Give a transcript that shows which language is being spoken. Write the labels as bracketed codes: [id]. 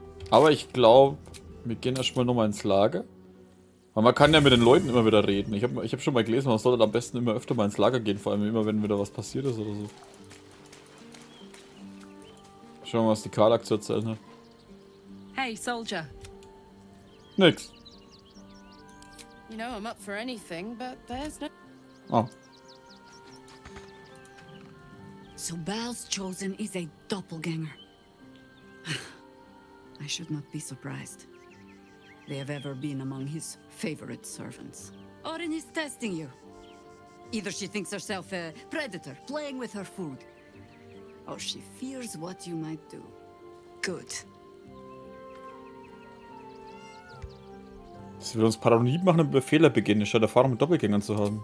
[de] Aber ich glaube, wir gehen erstmal nochmal ins Lager. Weil man kann ja mit den Leuten immer wieder reden. Ich hab schon mal gelesen, man sollte am besten immer öfter mal ins Lager gehen. Vor allem immer, wenn wieder was passiert ist oder so. Schauen wir mal, was die Karlak zu erzählen hat. [en] Hey, Soldier. [de] Nix. [en] You know, I'm up for anything, but there's no... Oh. So Bal's chosen is a doppelganger. I should not be surprised. They have ever been among his favorite servants. Orin is testing you. Either she thinks herself a predator playing with her food, or she fears what you might do. Good. [de] Sie will uns paranoid machen und über Fehler beginnen, statt Erfahrung mit Doppelgängern zu haben.